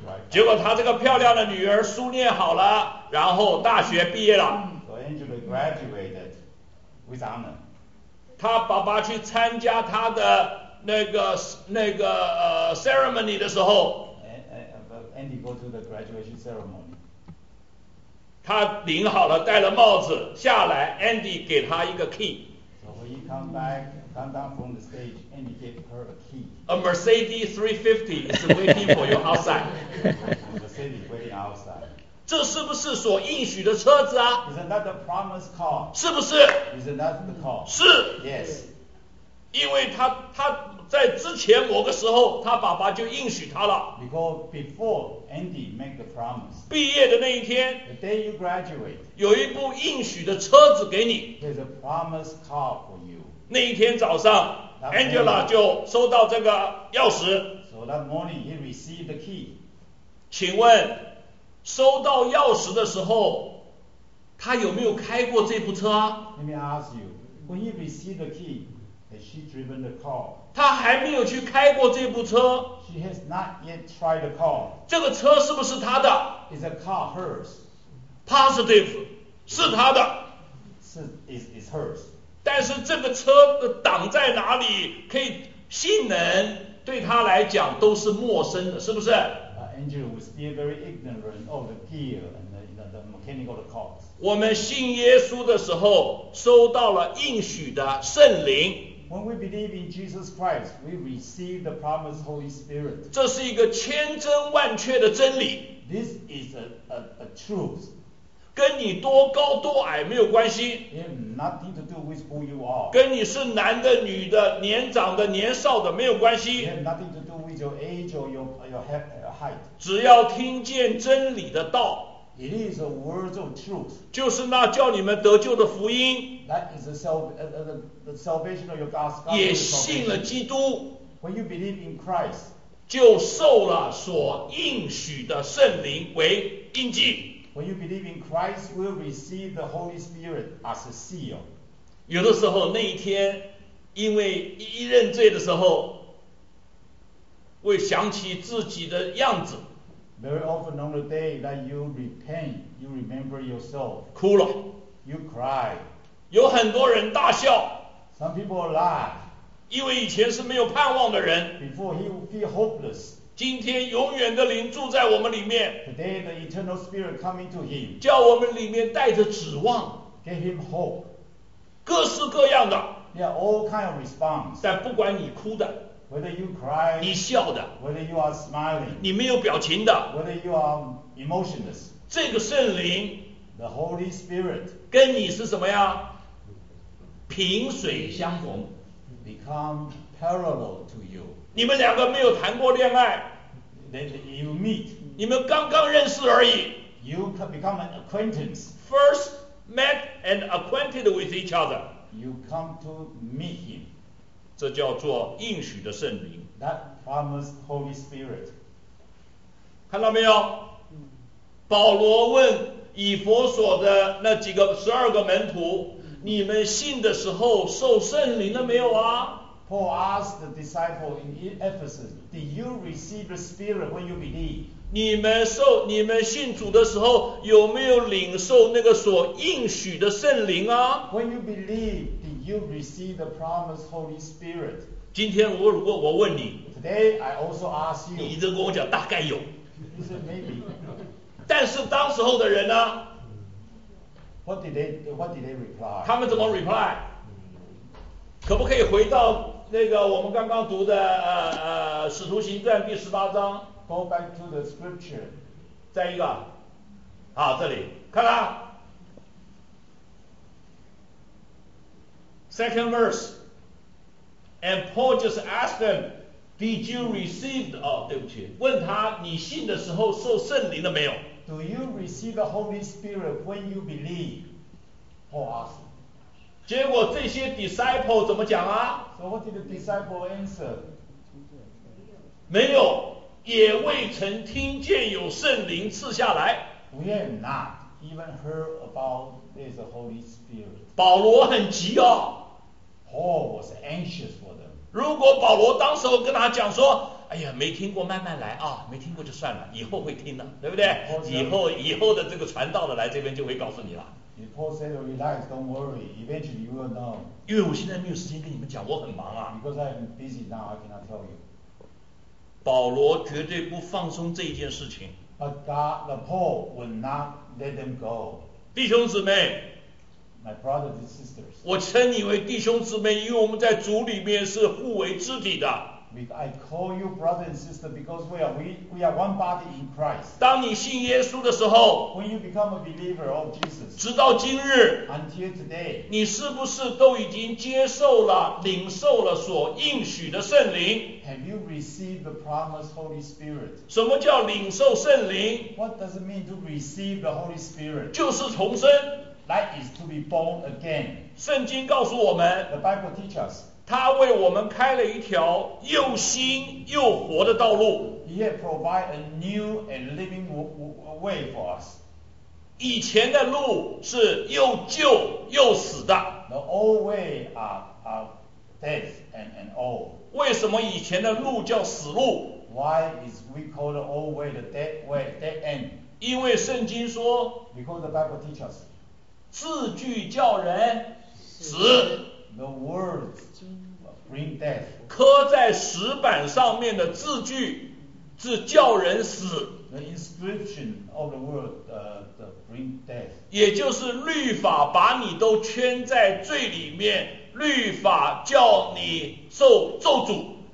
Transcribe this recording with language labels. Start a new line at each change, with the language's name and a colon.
Chinese: 结果他这个漂亮的女儿书念好了，然后大学毕业了。
English: So Angela graduated. With honor.
Chinese: 他爸爸去参加他的那个ceremony 的时候
English: Andy go to the graduation ceremony.
Chinese: 他领好了戴了帽子下来 Andy 给他一个 key.
English: So when he come back, come down from the stage, Andy gave her a key. A Mercedes 350 is waiting for you outside. Mercedes waiting outside.
Chinese: 这是不是所应许的车子啊？
English: Isn't that the promised car?
Chinese: 是不是？
English: Isn't that the car?
Chinese: 是。
English: Yes.
Chinese: 因为他在之前某个时候，他爸爸就应许他了。
English: Because before Andy made the promise.
Chinese: 毕业的那一天。
English: The day you graduate.
Chinese: 有一部应许的车子给你。
English: There's a promised car for you.
Chinese: 那一天早上 ，Angela 就收到这个钥匙。
English: So that morning he received the key.
Chinese: 请问。收到钥匙的时候，他有没有开过这部车啊
English: ？Let me ask you, when he received the key, has she driven the car?
Chinese: 他还没有去开过这部车。
English: She has not yet tried the car.
Chinese: 这个车是不是他的
English: ？Is the car hers?
Chinese: Positive, 是他的。
English: 是 is hers.
Chinese: 但是这个车的挡在哪里，可以性能对他来讲都是陌生的，是不是？
English: Angel was still very ignorant of the gear and the mechanical cars.
Chinese: 我们信耶稣的时候收到了应许的圣灵。
English: When we believe in Jesus Christ, we receive the promised Holy Spirit.
Chinese: 这是一个千真万确的真理。
English: This is a truth.
Chinese: 跟你多高多矮没有关系。
English: It has nothing to do with who you are.
Chinese: 跟你是男的女的年长的年少的没有关系。
English: It has nothing to do with your age or your health.
Chinese: 只要听见真理的道
English: It is a word of truth.
Chinese: 就是那叫你们得救的福音
English: That is the salvation of your gospel.
Chinese: 也信了基督
English: When you believe in Christ,
Chinese: 就受了所应许的圣灵为印记。
English: When you believe in Christ, you will receive the Holy Spirit as a seal.
Chinese: 有的时候那一天，因为一认罪的时候，会想起自己的样子。
English: Very often on the day that you repent, you remember yourself.
Chinese: 哭了。
English: You cry.
Chinese: 有很多人大笑。
English: Some people laugh.
Chinese: 因为以前是没有盼望的人。
English: Before he would feel hopeless.
Chinese: 今天永远的灵住在我们里面
English: Today the eternal spirit coming to him
Chinese: 叫我们里面带着指望
English: Give him hope
Chinese: 各式各样的
English: Yeah, all kind of response
Chinese: 但不管你哭的
English: Whether you cry
Chinese: 你笑的
English: Whether you are smiling
Chinese: 你没有表情的
English: Whether you are emotionless
Chinese: 这个圣灵
English: The Holy Spirit
Chinese: 跟你是什么呀萍水相逢
English: Become parallel to you
Chinese: 你们两个没有谈过恋爱
English: you meet.
Chinese: 你们刚刚认识而已
English: you become an acquaintance. First met and acquainted with each other you come to meet him.
Chinese: 这叫做应许的圣灵
English: That promised Holy Spirit
Chinese: 看到没有保罗问以弗所的那几个十二个门徒你们信的时候受圣灵了没有啊
English: Paul asked the disciples in Ephesus, "Did you receive the Spirit when you believe?"
Chinese: 你们受你们信主的时候有没有领受那个所应许的圣灵啊
English: ？When you believe, did you receive the promised Holy Spirit?
Chinese: 今天我如果我问你
English: ，Today I also ask you.
Chinese: 你这跟我讲大概有。
English: Is it maybe?
Chinese: 但是当时候的人呢
English: ？What did they reply?
Chinese: 他们怎么 reply？可不可以回到那个我们刚刚读的《使徒行传》第十八章
English: ？Go back to the scripture。
Chinese: 再一个，好，这里看啦 ，
English: Second verse。 And Paul just asked them, "Did you receive?"
Chinese: 哦，对不起，问他你信的时候受圣灵了没有
English: ？Do you receive the Holy Spirit when you believe? Paul asked.
Chinese: 结果这些 disciple 怎么讲啊
English: ？So what did the disciple answer?
Chinese: 没有，也未曾听见有圣灵赐下来。
English: We have not even heard about this Holy Spirit.
Chinese: 保罗很急哦。
English: Paul was anxious for them.
Chinese: 如果保罗当时候跟他讲说，哎呀，没听过，慢慢来啊，没听过就算了，以后会听的，对不对？以后的这个传道的来这边就会告诉你了。
English: If Paul said, "Relax, don't worry. Eventually, you will know."
Chinese: 因为我现在没有时间跟你们讲，我很忙啊。
English: Because I'm busy now, I cannot tell you.
Chinese: 保罗绝对不放松这一件事情。
English: But God, the Paul will not let them go.
Chinese: 弟兄姊妹
English: ，My brothers and sisters.
Chinese: 我称你为弟兄姊妹，因为我们在主里面是互为肢体的。
English: I call you brother and sister because we are one body in Christ.
Chinese: 当你信耶稣的时候
English: ，When you become a believer of Jesus，
Chinese: 直到今日
English: ，Until today，
Chinese: 你是不是都已经接受了、领受了所应许的圣灵
English: ？Have you received the promised Holy Spirit？
Chinese: 什么叫领受圣灵
English: ？What does it mean to receive the Holy Spirit？
Chinese: 就是重生
English: ，That is to be born again。
Chinese: 圣经告诉我们
English: ，The Bible teaches us。
Chinese: 他为我们开了一条又新又活的道路。
English: He had provided a new and living way for us.
Chinese: 以前的路是又旧又死的。
English: The old way are death and old.
Chinese: 为什么以前的路叫死路
English: ？Why is we call the old way the dead way, dead end?
Chinese: 因为圣经说
English: ，Because the Bible teaches us,
Chinese: 字句叫人死。
English: The words bring death.
Chinese: 刻在石板上面的字句是叫人死。
English: The inscription of the word bring death.
Chinese: 也就是律法把你都圈在罪里面，律法叫你受咒诅。